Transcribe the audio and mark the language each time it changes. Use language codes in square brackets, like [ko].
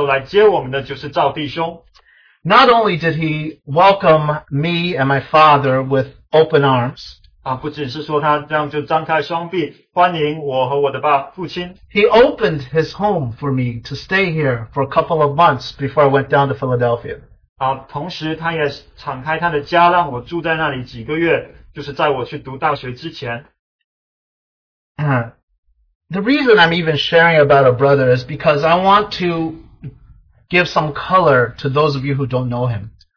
[zh] 所以当我们来到纽约的时候，那时候来接我们的就是赵弟兄。 [en] Not only did he welcome me and my father with open arms, [zh] 不只是说他这样就张开双臂欢迎我和我的爸父亲。 [en] He opened his home for me to stay here for a couple of months before I went down to Philadelphia. [zh] 同时他也敞开他的家让我住在那里几个月，就是在我去读大学之前。 [en] The reason I'm even sharing about a brother is because I want to give some color to those of you who don't know him.